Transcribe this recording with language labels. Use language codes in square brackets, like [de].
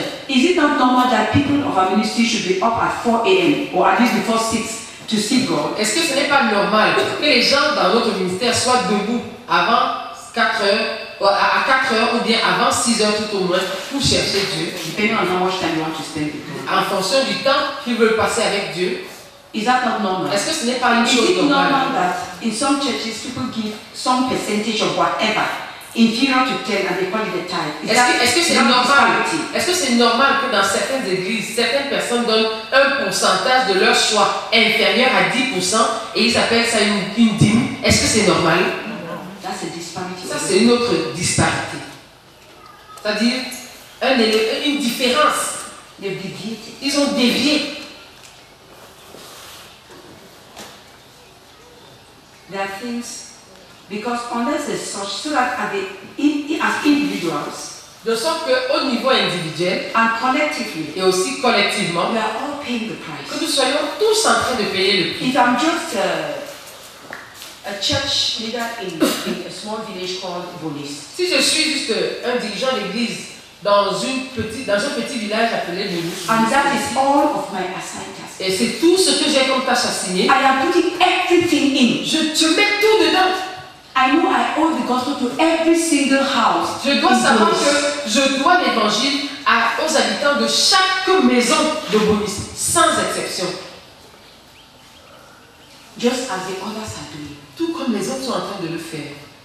[en] Is it not normal that people of our ministry should be up at 4 a.m. or at least before 6 to see God? [fr] Est-ce que ce n'est pas normal que les gens dans notre ministère soient debout avant 4 heures? À 4 heures ou bien avant 6 heures tout au moins pour chercher Dieu. [en] Depending on how much time you want to spend with God. [fr] En fonction du temps qu'ils veulent passer avec Dieu. [en] Is that not normal? [fr] Est-ce que ce n'est pas une chose normale? [en] Is it normal that in some churches people give some percentage of whatever inferior to 10 and they call it a tithe? [fr] Est-ce que c'est normal que dans certaines églises, certaines personnes donnent un pourcentage de leur choix inférieur à 10% et ils appellent ça une dîme? Est-ce que c'est normal? Ça, c'est une autre disparité. C'est-à-dire, une différence. Ils ont dévié. [en] There are things, because unless there's such, so that as individuals, [fr] de sorte qu'au niveau individuel, [en] and collectively, [fr] et aussi collectivement, [en] we are all paying the price. [fr] Que nous soyons tous en train de payer le prix. [en] If I'm just a church leader in a small village called Bonis. [fr] Si je suis juste un dirigeant d'église dans un petit village appelé Bonis. [en] And that is all of my assignments. [fr] Et c'est tout ce que j'ai comme tâche assignée. [en] I am putting everything in. [fr] Je mets tout dedans. [en] I know I owe the gospel to every single house. [fr] Je dois savoir que je dois l'évangile aux habitants de chaque maison de Bonis, sans exception. [en] Just as the others are doing. [fr] Tout comme les autres sont en train de le faire.